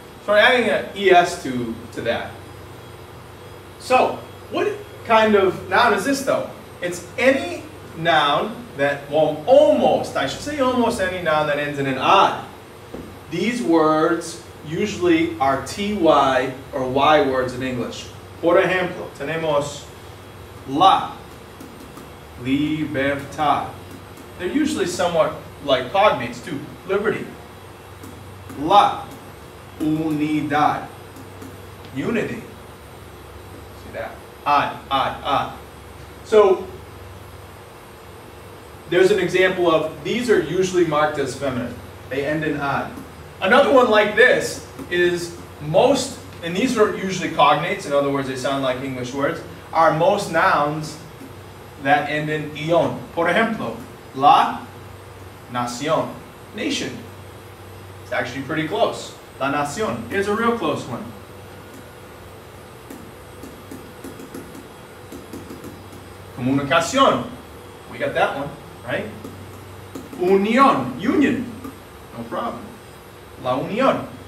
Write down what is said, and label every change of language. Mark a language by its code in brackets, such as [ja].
[en] So adding an ES to that. So, what kind of noun is this though? It's any noun that, well, almost, I should say almost any noun that ends in an I. These words usually are TY or Y words in English. [es] Por ejemplo, tenemos la, libertad. [en] They're usually somewhat like cognates too, liberty. La, unidad, unity, see that? I. So there's an example of these are usually marked as feminine. They end in I. Another one like this is most, and these are usually cognates, in other words, they sound like English words, are most nouns that end in ion. [es] Por ejemplo, la nación, nation. [en] It's actually pretty close. La nación is a real close one. Comunicación, we got that one, right? Unión, union, no problem. La unión.